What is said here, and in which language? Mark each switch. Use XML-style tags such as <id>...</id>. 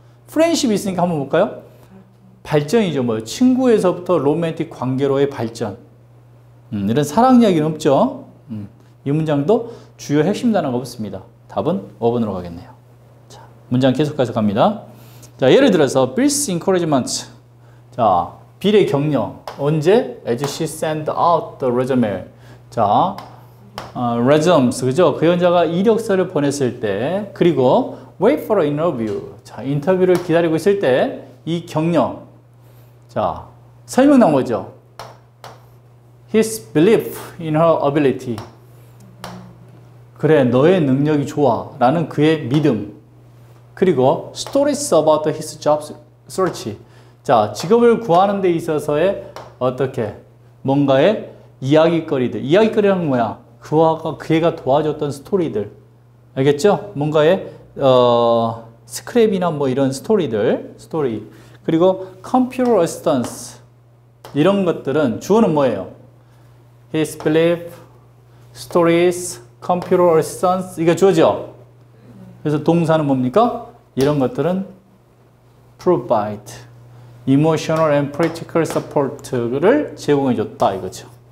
<ko>friendship이 있으니까 한번 볼까요? 발전이죠. 뭐 친구에서부터 로맨틱 관계로의 발전. 이런 사랑 이야기는 없죠? 이 문장도 주요 핵심 단어가 없습니다. 답은 5번으로 가겠네요. 자, 문장 계속해서 갑니다. 자, 예를 들어서</ko> <en>Bill's encouragement.</en> <ko>자, 빌의 격려. 언제?</ko> <en>As she sent out the resume.</en> <ko>자, resumes, 그죠? 그 여자가 이력서를 보냈을 때, 그리고</ko> <en>wait for an interview.</en> <ko>자, 인터뷰를 기다리고 있을 때, 이 격려. 자, 설명 나온 거죠?</ko> <en>His belief in her ability.</en> <ko>그래, 너의 능력이 좋아. 라는 그의 믿음. 그리고</ko> <en>stories about his job search.</en> <ko>자, 직업을 구하는 데 있어서의 어떻게 뭔가의 이야기거리들. 이야기거리란 뭐야? 그 애가 도와줬던 스토리들. 알겠죠? 뭔가의 스크랩이나 뭐 이런 스토리들. 스토리. 그리고</ko> <en>computer assistance.</en> <ko>이런 것들은 주어는 뭐예요?</ko> <en>His belief, stories, computer assistance.</en> <ko>이게 주어죠? 그래서 동사는 뭡니까? 이런 것들은</ko> <en>provide. Emotional and practical support</en> <ko>를 제공해 줬다, 이거죠.</ko>